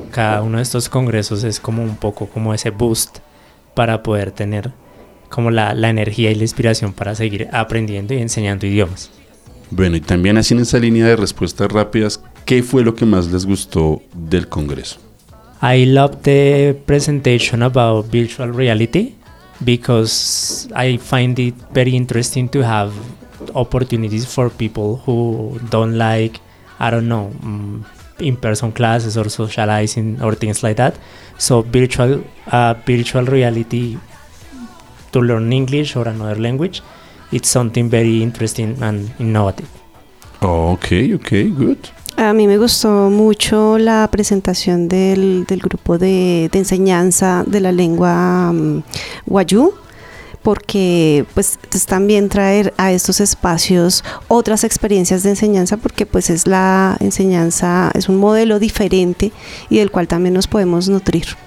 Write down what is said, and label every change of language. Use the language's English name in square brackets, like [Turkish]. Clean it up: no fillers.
[Spanish] Cada uno de estos congresos es como un poco como ese boost para poder tener como la energía y la inspiración para seguir aprendiendo y enseñando idiomas. Bueno, y también así en esa línea de respuestas rápidas, ¿qué fue lo que más les gustó del congreso? [English] I loved the presentation about virtual reality because I find it very interesting to have opportunities for people who don't like, I don't know, in-person classes or socializing or things like that. So virtual reality to learn English or another language, it's something very interesting and innovative. Okay, okay, good. [Spanish] A mí me gustó mucho la presentación del grupo de enseñanza de la lengua Wayuu, porque pues es también traer a estos espacios otras experiencias de enseñanza, porque pues es la enseñanza, es un modelo diferente y del cual también nos podemos nutrir.